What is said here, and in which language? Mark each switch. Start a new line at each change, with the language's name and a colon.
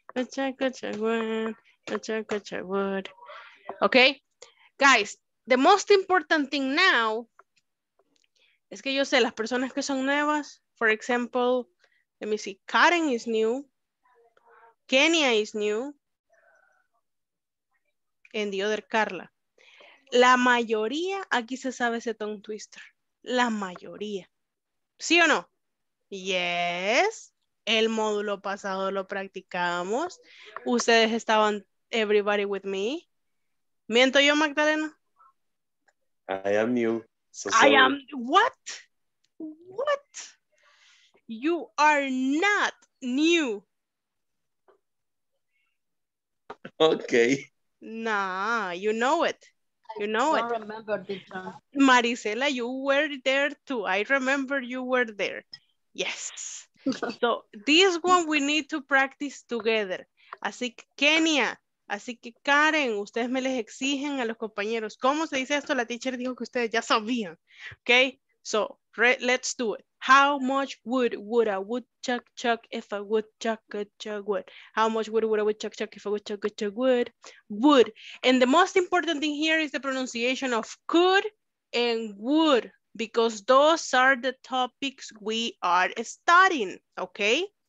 English: Woodchuck chuck wood, woodchuck chuck wood. Okay, guys, the most important thing now is
Spanish: que yo sé las personas que son nuevas.
English: For example, let me see, Karen is new, Kenya is new, and the other Carla.
Spanish: La mayoría aquí se sabe ese tongue twister. La mayoría. ¿Sí o no? Yes, el módulo pasado lo practicamos. Ustedes estaban,
English: everybody with me.
Spanish: ¿Miento yo, Magdalena?
English: I am new. So sorry. I am, what? What? You are not new. Okay. Nah, you know it. You know it. I remember the time. Marisela, you were there too. I remember you were there. Yes. So this one we need to practice together.
Spanish: Así que Kenia, así que Karen, ustedes me les exigen a los compañeros. ¿Cómo se dice esto? La teacher dijo que ustedes ya sabían.
English: Okay. So let's do it. How much wood would a woodchuck chuck if a woodchuck could chuck wood? How much wood would a woodchuck chuck if a woodchuck could chuck wood? Wood. And the most important thing here is the pronunciation of could and would. Because those are the topics we are studying, okay?